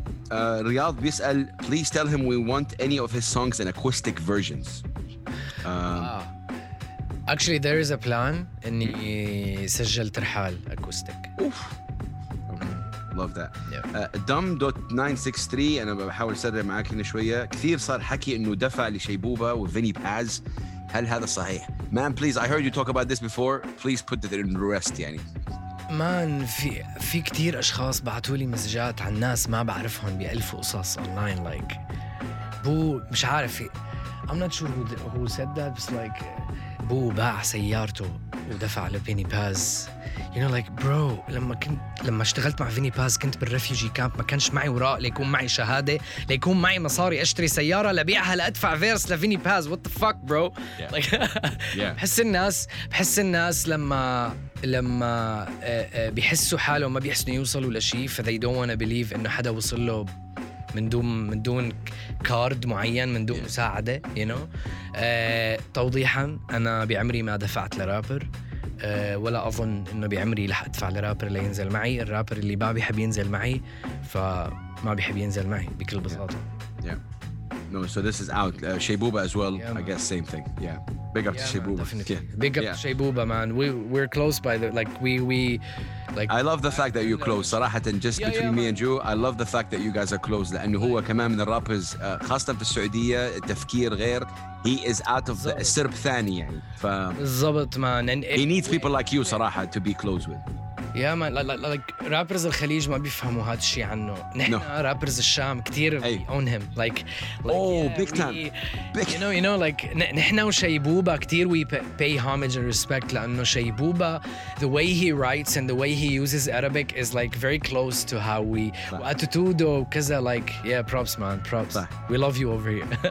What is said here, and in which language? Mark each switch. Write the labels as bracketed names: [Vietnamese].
[English] Riyadh [Arabic] بيسأل, [English] please tell him we want any of his songs in acoustic versions. Actually, there is a plan [Arabic] إني سجل ترحال [English] acoustic. Oof. Love that. Yeah. [Arabic] Dumb.963, أنا بحاول أسرع معاك هنا شوية. كثير صار حكي إنه دفع لشيبوبة وفيني باز هل هذا صحيح؟ [English] Man, please, I heard you talk about this before. Please put it in rest, يعني. [Arabic] Man, في كتير أشخاص بعتوا لي مسجات عن ناس ما بعرفهم بألف قصص online, like. بو مش عارف. [English] I'm not sure who said that, but like, [Arabic] بو باع سيارته ودفع لفيني باز. [English] You know, like, bro, [Arabic] لما اشتغلت مع فيني باز كنت بالرفيجي كامب ما كانش معي وراء ليكون معي شهادة ليكون معي مصاري اشتري سيارة لبيعها لأدفع فيرس لفيني باز. [English] What the fuck, bro? Yeah. Like, [Arabic] بحس الناس لما بيحسوا حالهم ما بيحسنوا يوصلوا لشي, ف [English] they don't wanna believe [Arabic] إنه حدا وصل له من دون كارد معين, من دون مساعدة, you know. توضيحا, أنا بعمري ما دفعت لرابر, ولا أظن إنه بعمري لح أدفع لرابر لينزل معي. الرابر اللي ما بيحب ينزل معي فما بيحب ينزل معي بكل بساطة. [English] No, so this is out. Shaybooba as well, yeah, I guess, same thing. Yeah, big up to Shaybooba. Yeah. Big up to Shaybooba, man. We're close by the, like, I love the fact that you're close, sarahatan, just between me and you. I love the fact that you guys are close. [Arabic] لأنه هو كمان من الرابرز, خاصة في السعودية, التفكير غير. [English] He is out of the [Arabic] سرب ثاني, يعني. بالضبط, man. And [English] he needs people like you, [Arabic] صراحة, [English] to be close with. Yeah, man, like rappers [Arabic] الخليج ما بيفهموا هاد الشيء عنه. نحن rappers الشام كتير [English] own him. Like oh, big time. You know, like [Arabic] نحن وشيبوبا كتير [English] we pay homage and respect, [Arabic] لأنه شيبوبا [English] the way he writes and the way he uses Arabic is like very close to how we attitude وكذا, like, yeah, props, man, props. We love you over here.